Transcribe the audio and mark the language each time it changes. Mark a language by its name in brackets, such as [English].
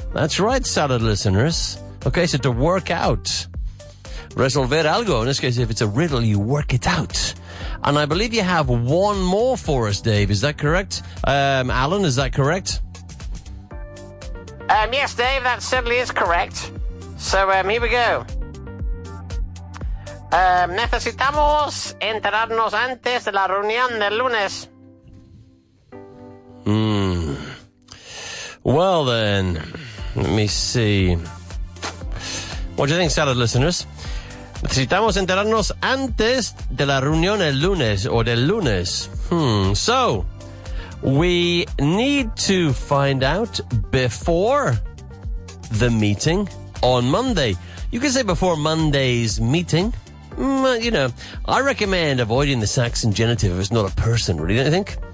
[English] That's right, salad listeners. Okay, so to work out. [Spanish] Resolver algo. [English] In this case, if it's a riddle, you work it out. And I believe you have one more for us, Dave. Is that correct? Alan, is that correct? Yes, Dave, that certainly is correct. So, here we go. [Spanish] Necesitamos enterarnos antes de la reunión del lunes. [English] Well, then, let me see. What do you think, salad listeners? [Spanish] Necesitamos enterarnos antes de la reunión el lunes, or del lunes. [English] So, we need to find out before the meeting on Monday. You can say before Monday's meeting. You know, I recommend avoiding the Saxon genitive if it's not a person, really, don't you think?